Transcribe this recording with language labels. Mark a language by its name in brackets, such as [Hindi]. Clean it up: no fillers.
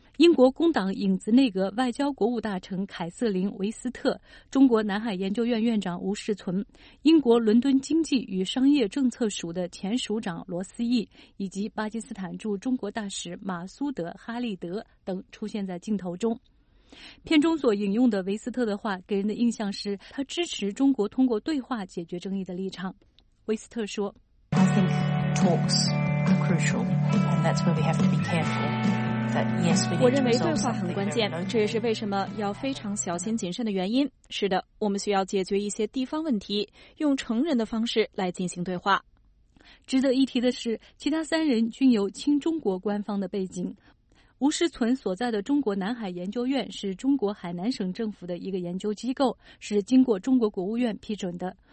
[Chinese] 英国工党影子内阁外交国务大臣凯瑟琳·维斯特、中国南海研究院院长吴世存、英国伦敦经济与商业政策署的前署长罗斯义以及巴基斯坦驻中国大使马苏德·哈利德等出现在镜头中。片中所引用的维斯特的话给人的印象是他支持中国通过对话解决争议的立场。维斯特说， [English] I think talks are crucial and that's where we have to be careful. [Chinese] 我认为对话很关键，这也是为什么要非常小心谨慎的原因。是的，我们需要解决一些地方问题，用成人的方式来进行对话。值得一提的是，其他三人均有亲中国官方的背景。吴世存所在的中国南海研究院是中国海南省政府的一个研究机构，是经过中国国务院批准的。